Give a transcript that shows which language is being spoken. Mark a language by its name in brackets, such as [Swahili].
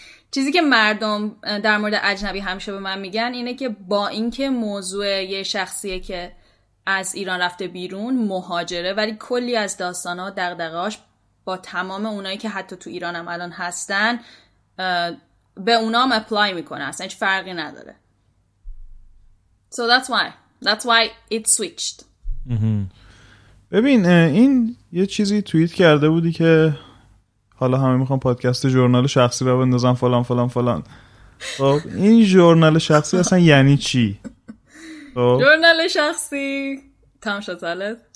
[Persian] چیزی که مردم در مورد اجنبی همیشه به من میگن اینه که با اینکه موضوع یه شخصیه که از ایران رفته بیرون مهاجره، ولی کلی از داستانا دغدغه‌هاش با تمام اونایی که حتی تو ایران هم الان هستن به اونا هم اپلای میکنه، اصلا هیچ فرقی نداره. [English] So that's why it switched. [Persian] ببین این یه چیزی توییت کرده بودی که حالا همه میخوان پادکست ژورنال شخصی رو بندازن فلان فلان فلان. خب این ژورنال شخصی اصلا یعنی چی؟ ژورنال شخصی تام شتالت.